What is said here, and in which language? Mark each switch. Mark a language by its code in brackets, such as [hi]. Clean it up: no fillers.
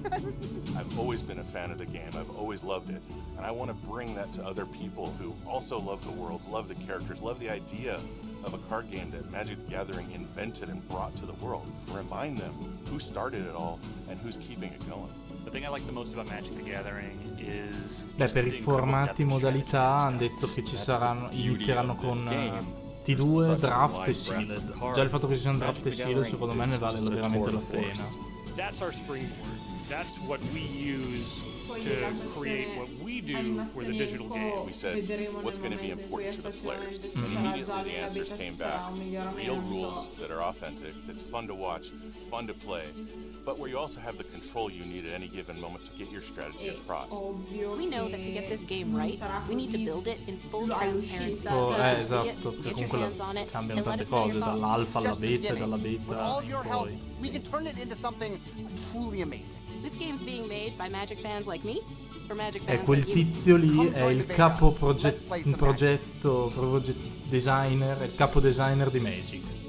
[en] I've always been a fan of the game. I've always loved it. And I want to bring that to other people who also love the worlds, love the characters, love the idea of a card game that Magic the Gathering invented and brought to the world. Remind them who started it all and who's keeping it going. The thing I like the most about Magic the Gathering is... [it] Beh, per i formati modalità hanno detto che ci saranno, inizieranno con T2, draft e sealed. Già il fatto che ci siano draft e sealed secondo me ne vale veramente la pena. [en] That's our springboard. That's what we use to create what we do for the digital game. We said, what's going to be important to the players? Immediately the answers came back. Real rules that are authentic, that's fun to watch, fun to play, but where you also have the control you need at any given moment to get your strategy across. We know that to get this game right, we need to build it in full transparency so you can see it, get your hands on it, and let us know your thoughts. Just beginning. With all your help, we can turn it into something truly amazing. This game's being made by Magic fans like me, for Magic fans [it] e quel tizio lì è il capo designer, il capo designer di Magic.